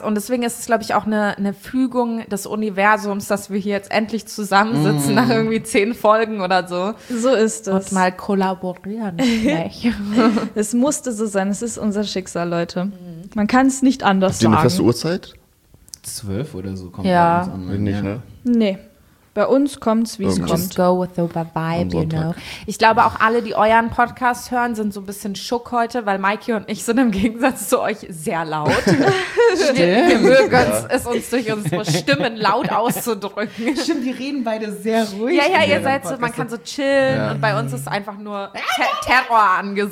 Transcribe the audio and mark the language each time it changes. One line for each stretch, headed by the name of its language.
German: Und deswegen ist es, glaube ich, auch eine Fügung des Universums, dass wir hier jetzt endlich zusammensitzen nach irgendwie 10 Folgen oder so. So ist es. Und mal kollaborieren. Es musste so sein. Es ist unser Schicksal, Leute. Man kann es nicht anders sagen. Habt ihr eine feste Uhrzeit? 12 oder so kommt ja alles an. Nicht, ja. Nee. Bei uns kommt's, wie es kommt.
English: Just go with the vibe, you know.
German: Ich glaube, auch alle, die euren Podcast hören, sind so ein bisschen schock heute, weil Mikey und ich sind im Gegensatz zu euch sehr laut. Stimmt. Wir mögen es uns durch unsere Stimmen laut auszudrücken. Stimmt, die reden beide sehr ruhig. Ja, ja, ihr seid so, man kann so chillen und bei uns ist einfach nur Terror angesagt.